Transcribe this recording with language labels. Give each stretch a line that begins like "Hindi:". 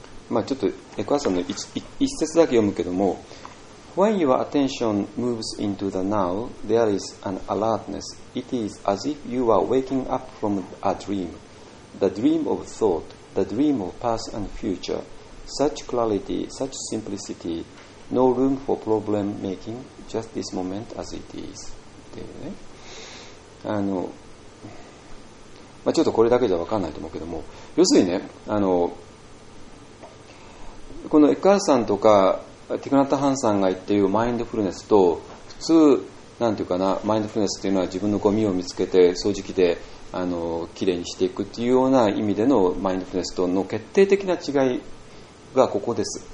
Japanese: まあ、ちょっとエクアさんの 一節だけ読むけども、
English: When your attention moves into the now, there is an alertness. It is as if you are waking up from a dream. The dream of thought, the dream of past and future. Such clarity, such simplicity. No room for problem making, just this moment as it is.
Japanese: で、ね、まあ、ちょっとこれだけじゃ分かんないと思うけども、要するにね、このエッカールさんとかティクナタハンさんが言っているマインドフルネスと、普通なんていうかな、マインドフルネスというのは自分のゴミを見つけて掃除機できれいにしていくというような意味でのマインドフルネスとの決定的な違いがここです。